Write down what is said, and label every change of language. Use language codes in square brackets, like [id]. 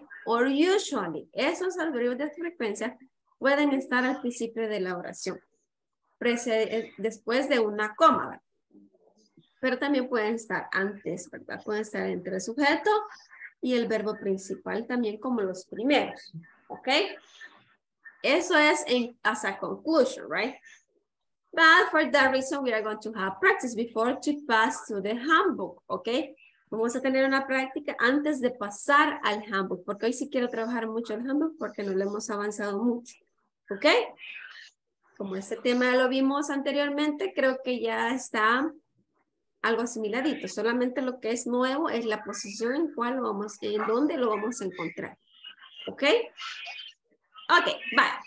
[en] Or usually, [es] esos adverbios de frecuencia pueden estar al principio de la oración, después de una coma, ¿verdad? Pero también pueden estar antes, ¿verdad? Pueden estar entre el sujeto y el verbo principal también como los primeros, ¿ok? Eso es [en] as a conclusion, right? But for that reason, we are going to have practice before to pass to the handbook, okay? [es] Vamos a tener una práctica antes de pasar al handbook, porque hoy sí quiero trabajar mucho el handbook porque no lo hemos avanzado mucho, okay? Como este tema lo vimos anteriormente, creo que ya está algo asimiladito. Solamente lo que es nuevo es la posición en cual lo vamos, en dónde lo vamos a encontrar, okay? Okay, bye.